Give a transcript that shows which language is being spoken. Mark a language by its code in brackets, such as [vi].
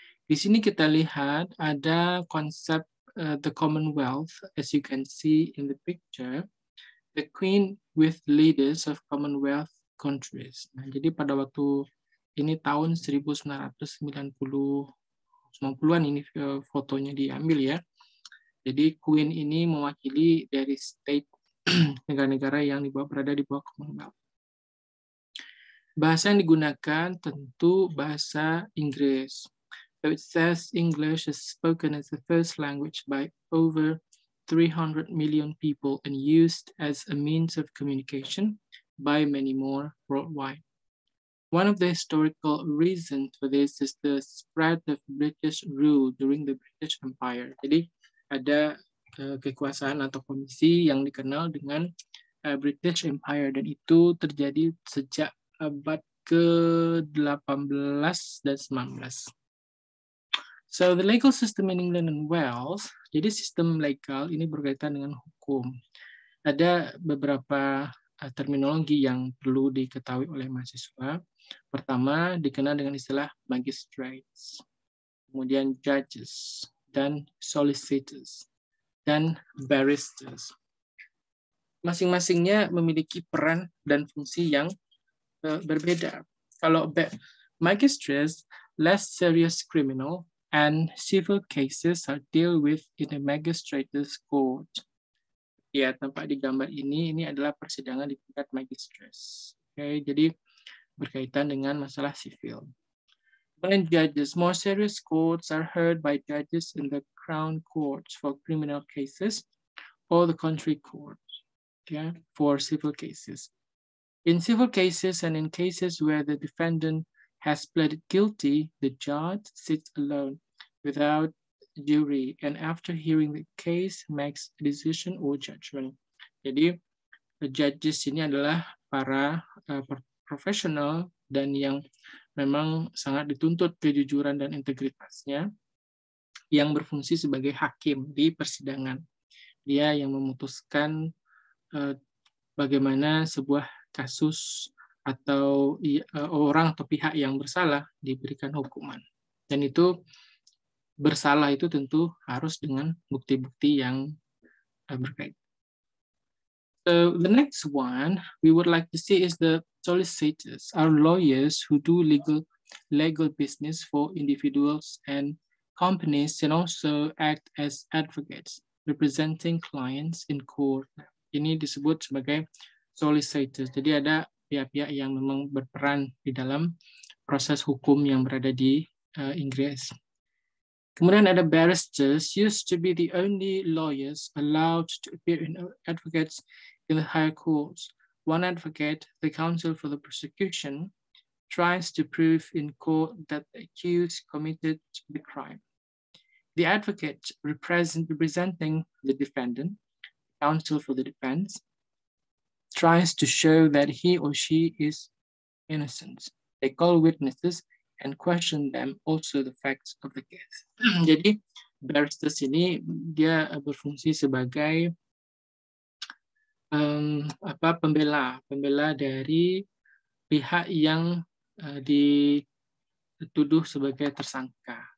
[id] Di sini kita lihat ada konsep [en] the Commonwealth, as you can see in the picture, the Queen with leaders of Commonwealth countries. [id] Nah, jadi pada waktu ini tahun 1990-an ini fotonya diambil ya. Jadi Queen ini mewakili dari state negara-negara yang berada di bawah Commonwealth. Bahasa yang digunakan tentu bahasa Inggris. [en] So it says English is spoken as the first language by over 300 million people and used as a means of communication by many more worldwide. One of the historical reasons for this is the spread of British rule during the British Empire. [id] Jadi ada kekuasaan atau komisi yang dikenal dengan British Empire dan itu terjadi sejak abad ke-18 dan 19. [en] So the legal system in England and Wales, [id] jadi sistem legal ini berkaitan dengan hukum. Ada beberapa terminologi yang perlu diketahui oleh mahasiswa. Pertama, dikenal dengan istilah magistrates, kemudian judges, dan solicitors, dan barristers. Masing-masingnya memiliki peran dan fungsi yang berbeda. [en] Kalau magistrates, less serious criminal, and civil cases are dealt with in a magistrate's court. [id] Ya, tampak di gambar ini adalah persidangan di tingkat magistrates. [en] Okay, [id] jadi berkaitan dengan masalah sivil. Kemudian [en] judges, more serious courts are heard by judges in the crown courts for criminal cases or the country courts, okay, for civil cases. In civil cases and in cases where the defendant has pleaded guilty, the judge sits alone without jury and after hearing the case makes a decision or judgment. [id] Jadi, the judges ini adalah para profesional dan yang memang sangat dituntut kejujuran dan integritasnya, yang berfungsi sebagai hakim di persidangan. Dia yang memutuskan bagaimana sebuah kasus atau orang atau pihak yang bersalah diberikan hukuman. Dan itu bersalah itu tentu harus dengan bukti-bukti yang berkait. [en] So, the next one we would like to see is the solicitors are lawyers who do legal business for individuals and companies and also act as advocates representing clients in court. [id] Ini disebut sebagai solicitor. Jadi ada pihak-pihak yang memang berperan di dalam proses hukum yang berada di Inggris. Kemudian ada [en] barristers used to be the only lawyers allowed to appear in advocates in the higher courts. One advocate, the counsel for the prosecution, tries to prove in court that the accused committed the crime. The advocate representing the defendant, counsel for the defense, tries to show that he or she is innocent. They call witnesses and question them also the facts of the case. [id] Jadi, barristers ini dia berfungsi sebagai pembela dari pihak yang dituduh sebagai tersangka.